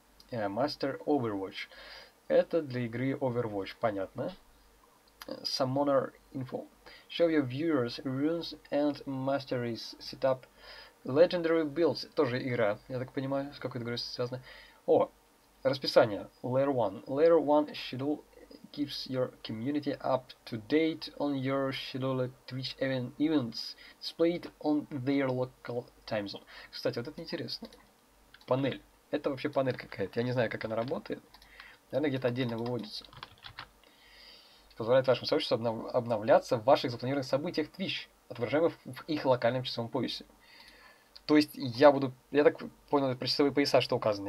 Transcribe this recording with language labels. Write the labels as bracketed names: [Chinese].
[Russian] Master Overwatch. Это для игры Overwatch, понятно. [English] Summoner Info. Show your viewers runes and masteries setup. Legendary Builds. [Russian] Тоже игра, я так понимаю, с какой-то игрой связано. О, расписание. Layer 1. [English] Schedule keeps your community up to date on your scheduled Twitch events displayed on their local time zone. [Russian] Кстати, вот это интересно. Панель. Это вообще панель какая-то. Я не знаю, как она работает. Наверное, где-то отдельно выводится. Позволяет вашему сообществу обновляться в ваших запланированных событиях Twitch, отображаемых в их локальном часовом поясе. То есть я так понял, про часовые пояса, что указано.